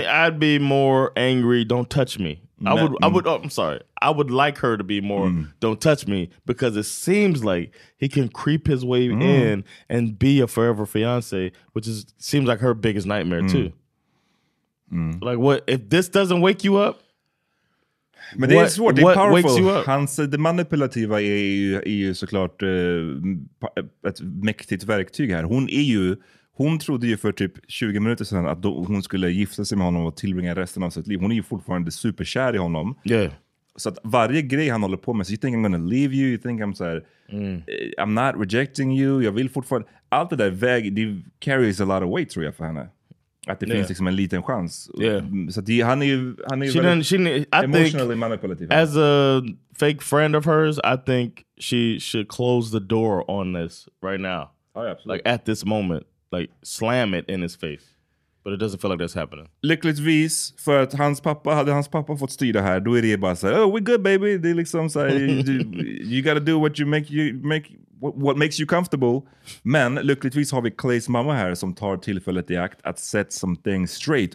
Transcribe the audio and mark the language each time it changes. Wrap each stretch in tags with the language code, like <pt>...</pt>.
<en>I'd be more angry. Don't touch me. I would. Oh, I'm sorry. I would like her to be more. Mm. Don't touch me, because it seems like he can creep his way in and be a forever fiance, which is seems like her biggest nightmare too. Like, what if this doesn't wake you up?</en> <sv>Men det är svårt. Det är powerful. Hans det manipulativa är ju såklart ett mäktigt verktyg här. Hon trodde ju för typ 20 minuter sedan att hon skulle gifta sig med honom och tillbringa resten av sitt liv. Hon är ju fortfarande superkär i honom.</sv> <en>Yeah.</en> <sv>Så att varje grej han håller på med, så</sv> <en>you think I'm gonna leave you, you think I'm</en> <sv>så här,</sv> <en>I'm not rejecting you,</en> <sv>jag vill fortfarande... Allt det där väg,</sv> <en>det carries a lot of weight,</en> <sv>tror jag, för henne. Att det finns liksom en liten chans.</sv> <en>Yeah.</en> <sv>Så att han är ju emotionally manipulative.</sv> <en>As a fake friend of hers, I think she should close the door on this right now. Oh, absolutely. Like, at this moment. Like, slam it in his face. But it doesn't feel like that's happening.</en> <sv>Lyckligtvis, för att hade hans pappa fått styra här, då är det bara så här,</sv> <en>oh, we're good, baby.</en> <sv>Det är liksom så här,</sv> <en>you gotta do what you make, what makes you comfortable.</en> <sv>Men lyckligtvis har vi Clays mamma här som tar tillfället i akt att</sv> <en>set something straight.</en>